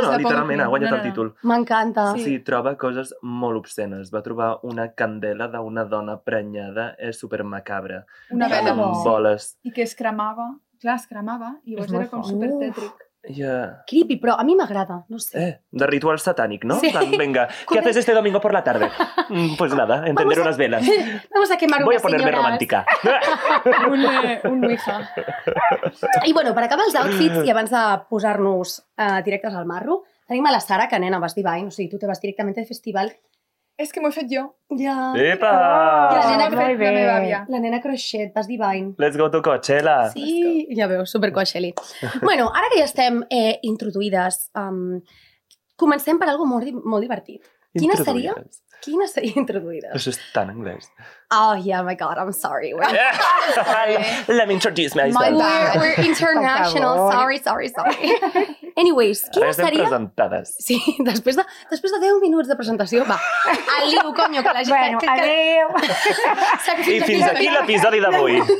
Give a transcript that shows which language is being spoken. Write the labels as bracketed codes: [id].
[ca] literalment ha guanyat el títol. M'encanta. Sí, troba coses molt obscenes. Va trobar una candela d'una dona prenyada, és supermacabra. Una vela amb boles. I que es cremava. Clar, es cremava. I llavors era com supertètric. [en] Yeah. [ca] Creepy, però a mi m'agrada, no sé. De ritual satànic, no? Sí. [es] Venga, ¿qué haces este domingo por la tarde? Pues nada, encender unas velas. Vamos a quemar unas señoras. Voy a ponerme romántica. un Ouija. [ca] I bueno, per acabar els outfits, i abans de posar-nos directes al marro, tenim a la Sara, que nena, vas dir bye, o sigui, tu te vas directament de festival. És que m'ho he fet jo. Ja. Epa! I la nena, la meva àvia. La nena crochet, vas divine. [en] Let's go to Coachella. [ca] Sí, ja veus, super Coachella. Bueno, ara que ja estem introduïdes, comencem per algo molt divertit. Quina seria? Quina seria introduïdes? Això és tan anglès. [en] Oh, yeah, my God, I'm sorry. Let me introduce myself. We're international, sorry. [ca] Anyways, quina seria... Estem presentades. Sí, després de 10 minuts de presentació, va. Adéu, coño, que la gent... Bueno, adéu. I fins aquí l'episodi d'avui.